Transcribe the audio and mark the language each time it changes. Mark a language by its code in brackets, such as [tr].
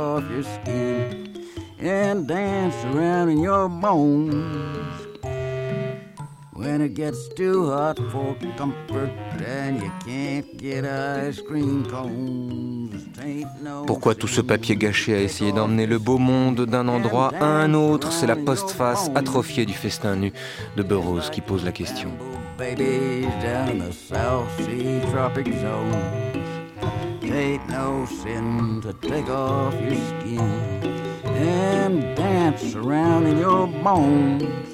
[en] Your skin and dance around in your bones. When it gets too hot for comfort and you can't get ice cream cones. [fr] Pourquoi tout ce papier gâché a essayé d'emmener le beau monde d'un endroit à un autre? C'est la postface atrophiée du festin nu de Burroughs qui pose la question. [en] Babies down the South Sea tropic zone. Ain't no sin to take off your skin and dance around in your bones.